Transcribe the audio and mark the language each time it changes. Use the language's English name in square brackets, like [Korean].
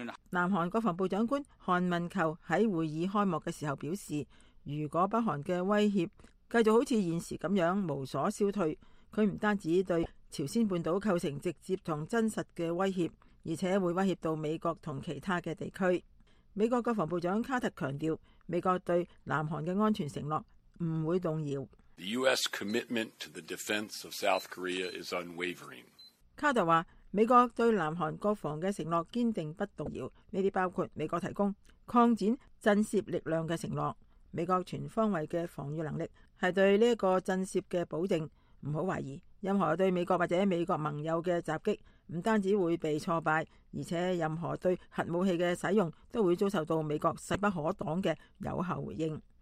[Chinese] 南韩国防部长官韩文球在会议开幕的时候表示，如果北韩的威胁继续好像现时这样无所消退，他不单止对朝鲜半岛构成直接和真实的威胁，而且会威胁到美国和其他的地区。美国国防部长卡特强调，美国对南韩的安全承诺不会动摇。 [English] The U.S. commitment to the defense of South Korea is unwavering. [Chinese] 卡特说，美国对南韩国防的承诺坚定不动摇，这些包括美国提供扩展震慑力量的承诺，美国全方位的防御能力是对这个震慑的保证。不要怀疑任何对美国或者美国盟友的袭击不单止会被挫败，而且任何对核武器的使用都会遭受到美国势不可挡的有效回应。